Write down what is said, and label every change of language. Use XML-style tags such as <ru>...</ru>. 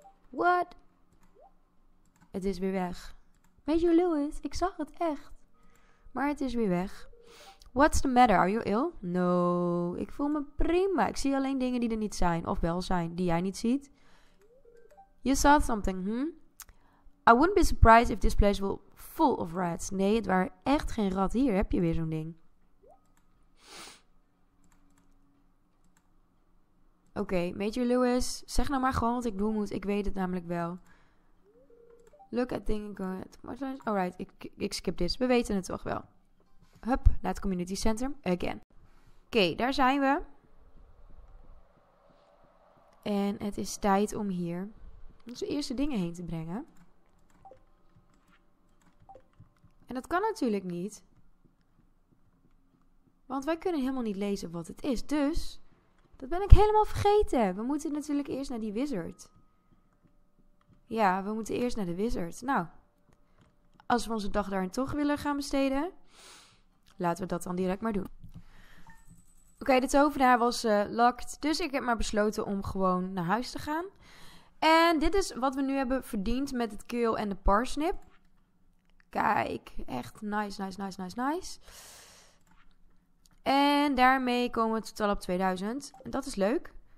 <nl>What? Het is weer weg. Major Lewis, ik zag het echt. Maar het is weer weg.</nl> <en>What's the matter? Are you ill?</en> <nl>No, ik voel me prima. Ik zie alleen dingen die er niet zijn, of wel zijn, die jij niet ziet.</nl> <en>You saw something, hmm? I wouldn't be surprised if this place was full of rats.</en> <nl>Nee, het waren echt geen rat. Hier heb je weer zo'n ding. Oké, okay, Major Lewis. Zeg nou maar gewoon wat ik doen moet. Ik weet het namelijk wel.</nl> <en>Look at things.</en> <nl>Alright, ik skip this. We weten het toch wel. Hup, naar het community center. Again. Oké, daar zijn we. En het is tijd om hier onze eerste dingen heen te brengen. En dat kan natuurlijk niet. Want wij kunnen helemaal niet lezen wat het is. Dus, dat ben ik helemaal vergeten. We moeten natuurlijk eerst naar die wizard. Ja, we moeten eerst naar de wizard. Nou, als we onze dag daarin toch willen gaan besteden, laten we dat dan direct maar doen. Oké, de tovenaar was locked. Dus ik heb maar besloten om gewoon naar huis te gaan. En dit is wat we nu hebben verdiend met het keel en de parsnip. Kijk, echt nice, nice, nice, nice, nice. En daarmee komen we totaal op 2000. En dat is leuk.</nl>